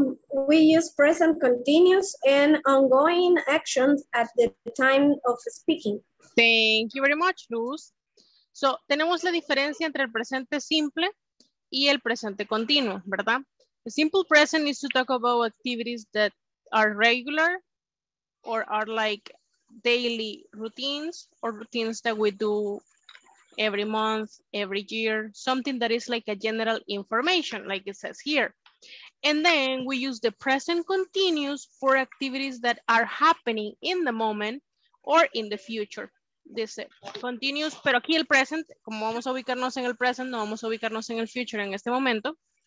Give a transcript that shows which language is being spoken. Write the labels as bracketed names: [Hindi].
[English] We use present continuous and ongoing actions at the time of speaking. Thank you very much, Luz. [Spanish] So, tenemos la diferencia entre el presente simple y el presente continuo, ¿verdad? [English] The simple present is to talk about activities that are regular or are like daily routines or routines that we do every month, every year, something that is like a general information, like it says here. And then we use the present continuous for activities that are happening in the moment or in the future. [Spanish] Dice continuous, pero aquí el present, como vamos a ubicarnos en el present, no vamos a ubicarnos en el future en este momento.